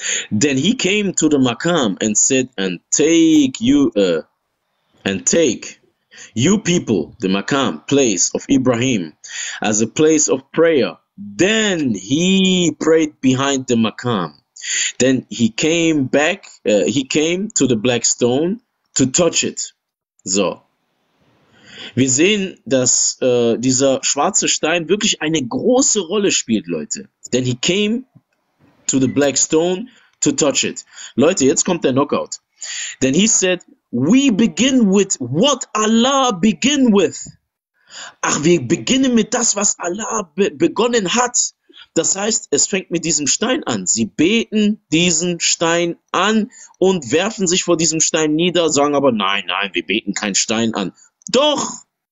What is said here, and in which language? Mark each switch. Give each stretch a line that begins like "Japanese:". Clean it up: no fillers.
English: Then he came to the Maqam and said, and take you people, the Maqam, place of Ibrahim, as a place of prayer. Then he prayed behind the Maqam. Then he came back, he came to the black stone to touch it.
German: So, wir sehen, dass dieser schwarze Stein wirklich eine große Rolle spielt, Leute.
English: Then he came to the black stone to touch it.
German: Leute, jetzt kommt der Knockout.
English: Then he said, we begin with what Allah begin with.
German: Ach, wir beginnen mit das, was Allah begonnen hat. Das heißt, es fängt mit diesem Stein an. Sie beten diesen Stein an und werfen sich vor diesem Stein nieder, sagen aber, nein, nein, wir beten keinen Stein an. Doch!